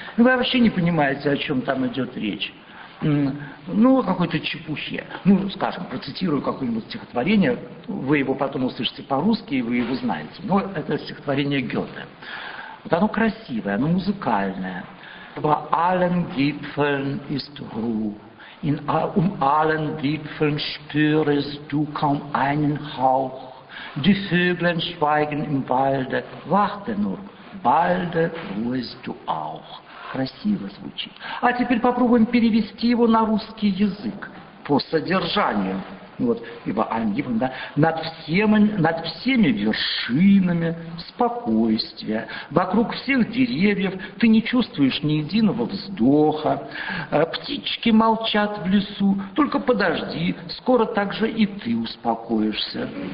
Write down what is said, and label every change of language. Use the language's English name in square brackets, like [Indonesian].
[Russian] Вы вообще не понимаете, о чем там идет речь. Ну, о какой-то чепухе. Ну, скажем, процитирую какое-нибудь стихотворение, вы его потом услышите по-русски, и вы его знаете. Но это стихотворение Гёте. Вот оно красивое, оно музыкальное. [German] «Über allen Gipfeln ist Ruh, in allen Gipfeln spürest du kaum einen Hauch, die Vögeln schweigen im Walde, warte nur, balde ruhest du auch». [Russian] Красиво звучит. А теперь попробуем перевести его на русский язык по содержанию. Вот, ибо они, да, над всеми вершинами спокойствия, вокруг всех деревьев ты не чувствуешь ни единого вздоха, птички молчат в лесу, только подожди, скоро так же и ты успокоишься.